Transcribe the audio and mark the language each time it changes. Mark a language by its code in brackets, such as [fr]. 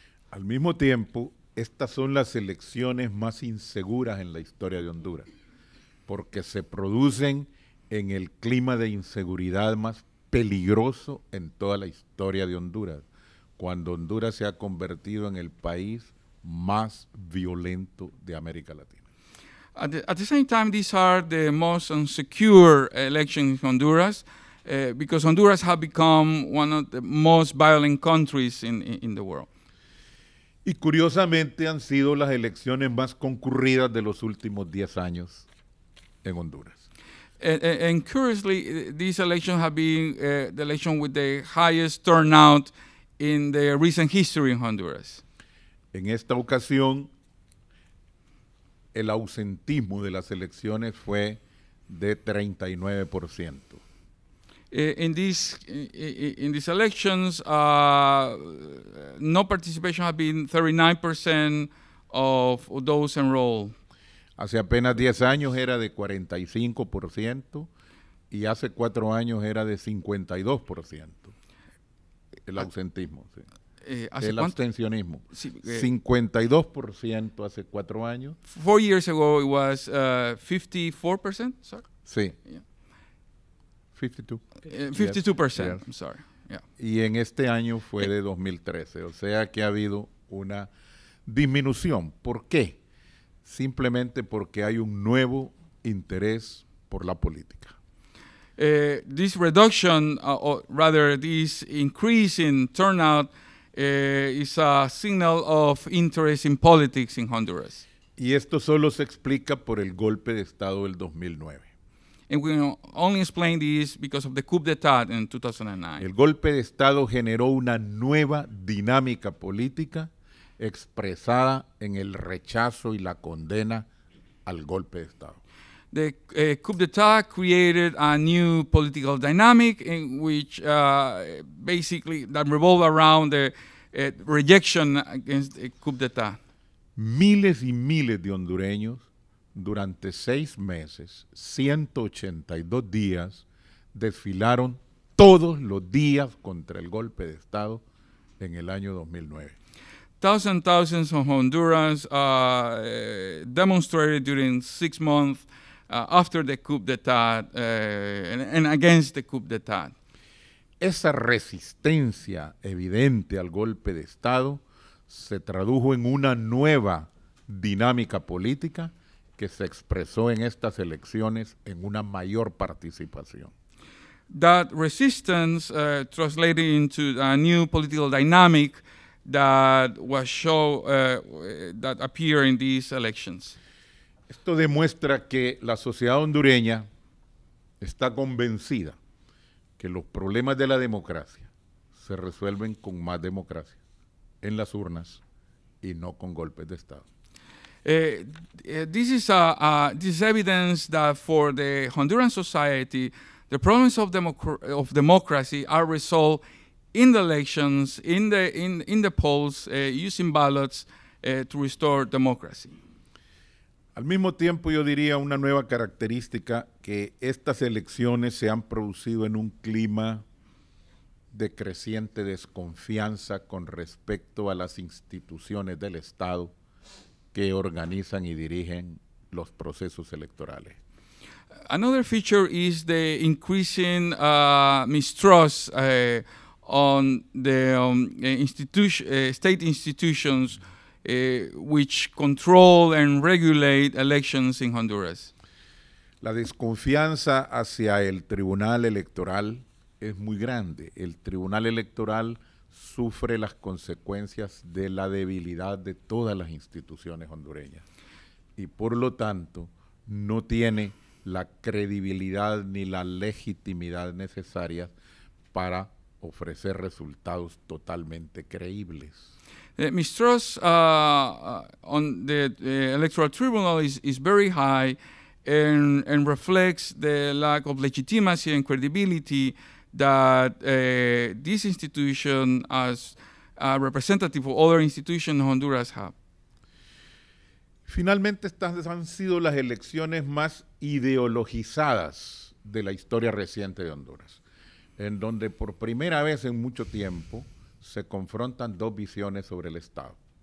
[es] Al mismo tiempo, estas son las elecciones más inseguras en la historia de Honduras, porque se producen en el clima de inseguridad más peligroso en toda la historia de Honduras, cuando Honduras se ha convertido en el país más violento de América Latina. [en] At the same time, these are the most insecure elections in Honduras, because Honduras has become one of the most violent countries in the world. [es] Y curiosamente han sido las elecciones más concurridas de los últimos 10 años en Honduras. [en] And curiously, these elections have been the election with the highest turnout in the recent history in Honduras. [es] En esta ocasión, el ausentismo de las elecciones fue de 39%. [en] In these elections, no participation has been 39% of those enrolled. [es] Hace apenas 10 años era de 45% y hace 4 años era de 52%. El ausentismo, el abstencionismo. Sí, 52% hace 4 años. [en] 4 years ago it was 54%, sir? [es] Sí. [en] Yeah. 52%, yes. I'm sorry. Yeah. [es] Y en este año fue de 2013, o sea que ha habido una disminución. ¿Por qué? Simplemente porque hay un nuevo interés por la política. [en] This reduction, this increase in turnout, is a signal of interest in politics in Honduras. [es] Y esto solo se explica por el golpe de Estado del 2009. [en] And we only explain this because of the coup d'etat in 2009. [es] El golpe de Estado generó una nueva dinámica política expresada en el rechazo y la condena al golpe de Estado. [en] The coup d'etat created a new political dynamic in which basically that revolved around the rejection against the coup d'etat. [es] Miles y miles de hondureños durante 6 meses, 182 días, desfilaron todos los días contra el golpe de Estado en el año 2009. [en] Thousands and thousands of Hondurans demonstrated during 6 months after the coup d'etat and against the coup d'etat. [es] Esa resistencia evidente al golpe de Estado se tradujo en una nueva dinámica política que se expresó en estas elecciones en una mayor participación. [en] That resistance translated into a new political dynamic that was shown, that appeared in these elections. [es] Esto demuestra que la sociedad hondureña está convencida que los problemas de la democracia se resuelven con más democracia en las urnas y no con golpes de Estado. [en] This is evidence that for the Honduran society, the problems of democracy are resolved in the elections, in the polls, using ballots to restore democracy. [es] Al mismo tiempo, yo diría una nueva característica que estas elecciones se han producido en un clima de creciente desconfianza con respecto a las instituciones del Estado que organizan y dirigen los procesos electorales. [en] Another feature is the increasing mistrust on the state institutions which control and regulate elections in Honduras. [es] La desconfianza hacia el Tribunal Electoral es muy grande. El Tribunal Electoral sufre las consecuencias de la debilidad de todas las instituciones hondureñas y por lo tanto no tiene la credibilidad ni la legitimidad necesarias para ofrecer resultados totalmente creíbles. [en] The mistrust on the electoral tribunal is very high and reflects the lack of legitimacy and credibility that this institution as a representative of other institutions in Honduras have. [es] Finalmente, estas han sido las elecciones más ideologizadas de la historia reciente de Honduras, en donde por primera vez en mucho tiempo se confrontan dos visiones sobre el Estado.